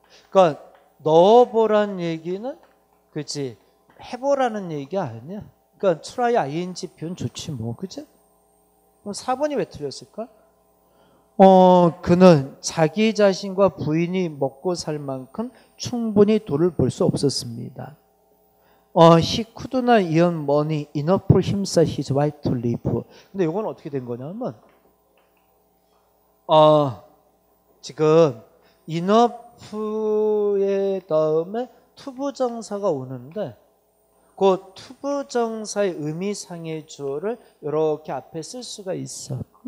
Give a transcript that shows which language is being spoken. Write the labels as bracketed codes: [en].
[ko] 그러니까 넣어보란 얘기는 그지 해보라는 얘기 아니야. 그러니까 try ing 표현 좋지 뭐, 그죠? 그럼 4번이 왜 틀렸을까? 그는 자기 자신과 부인이 먹고 살 만큼 충분히 돈을 벌 수 없었습니다. [en] He could not earn money enough for himself, his wife to live. [ko] 근데 이건 어떻게 된 거냐면, 지금 enough의 다음에 to 부정사가 오는데, 그 투부정사의 의미상의 주어를 이렇게 앞에 쓸 수가 있어.